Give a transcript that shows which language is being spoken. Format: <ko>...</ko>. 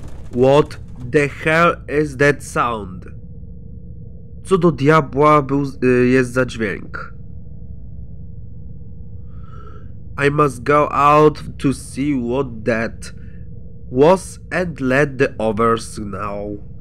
<en>What the hell is that sound?</en> <pl>Co do diabła był, jest za dźwięk?</pl> <en>I must go out to see what that was and let the others know.</en>